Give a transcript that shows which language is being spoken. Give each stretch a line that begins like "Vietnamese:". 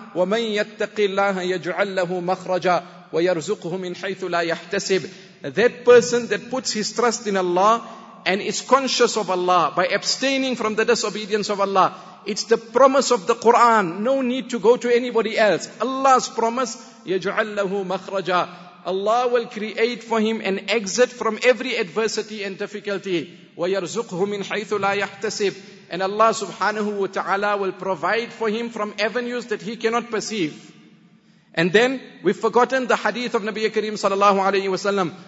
Arabic: وَمَن يَتَّقِ اللَّهَ يَجْعَلْ لَهُ مَخْرَجًا وَيَرْزُقْهُ مِنْ حَيْثُ لَا يَحْتَسِبْ.
English: That person that puts his trust in Allah and is conscious of Allah by abstaining from the disobedience of Allah, it's the promise of the Quran. No need to go to anybody else. Allah's promise,
Arabic: يَجْعَلْ لَهُ مَخْرَجًا.
English: Allah will create for him an exit from every adversity and difficulty.
Arabic: وَيَرْزُقْهُ مِنْ حَيْثُ لَا يَحْتَسِبْ.
English: And Allah subhanahu wa ta'ala will provide for him from avenues that he cannot perceive. And then, we've forgotten the hadith of Nabiya Kareem sallallahu alayhi wa sallam.